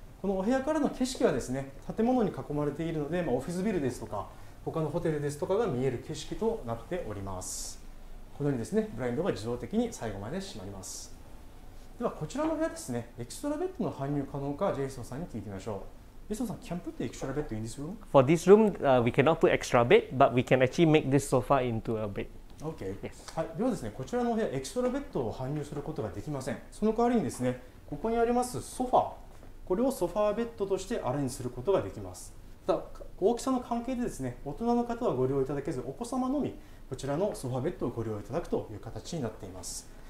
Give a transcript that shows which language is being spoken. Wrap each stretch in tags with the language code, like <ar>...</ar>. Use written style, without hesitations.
<ja>このお部屋からの景色はですね、建物に囲まれているので、まあ、オフィスビルですとか他のホテルですとかが見える景色となっております。このようにですね、ブラインドが自動的に最後まで閉まります。ではこちらの部屋ですね、エクストラベッドの搬入可能か、ジェイソンさんに聞いてみましょう。ジェイソンさん、キャンプってエクストラベッドいいんですよ。</ja> <en>For this room, we cannot put extra bed, but we can actually make this sofa into a bed. Okay. Yes.</en> <ja>はい、ではですね、こちらの部屋、エクストラベッドを搬入することができません。その代わりにですね、ここにありますソファこれをソファーベッドとしてアレンジすることができます。ただ大きさの関係でですね、大人の方はご利用いただけず、お子様のみこちらのソファーベッドをご利用いただくという形になっています。</ja>